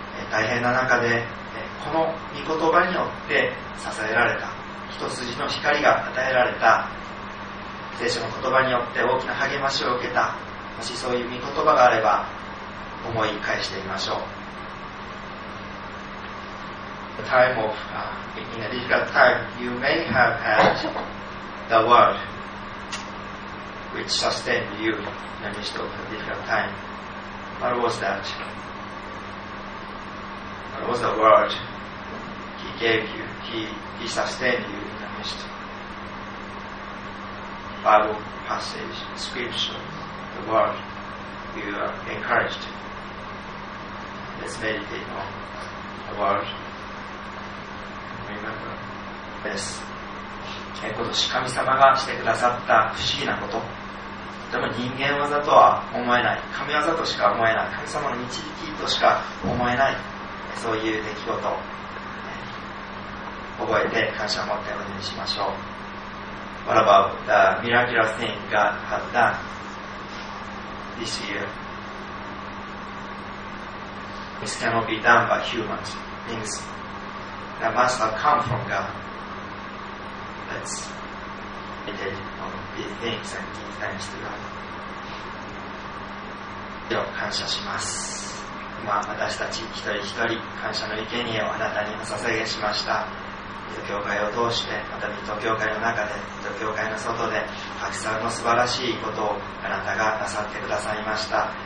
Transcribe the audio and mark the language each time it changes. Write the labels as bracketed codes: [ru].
[ja] 大変な中で、この御言葉によって支えられた、一筋の光が与えられた、聖書の言葉によって大きな励ましを受けた、もしそういう御言葉があれば、思い返してみましょう。 [en] Time of in a difficult time, you may have had the word which sustained you in the midst of a difficult time. What was that? What was the word he gave you? He sustained you in the midst. Bible passage, scripture, the word you are encouraged. Let's meditate on the word. [ja] です。今年神様がしてくださった不思議なこと、でも人間技とは思えない、神業としか思えない、神様の導きとしか思えない、そういう出来事を覚えて感謝を持ってお祈りしましょう。 [en] What about the miraculous thing God has done this year? This cannot be done by humans. ThingsThat must have come from God. Let's meditate on these things and give thanks to God. [ja] では感謝します。今私たち一人一人感謝の生贄をあなたにお捧げしました。水戸教会を通して、また水戸教会の中で、水戸教会の外で、たくさんの素晴らしいことをあなたがなさってくださいました。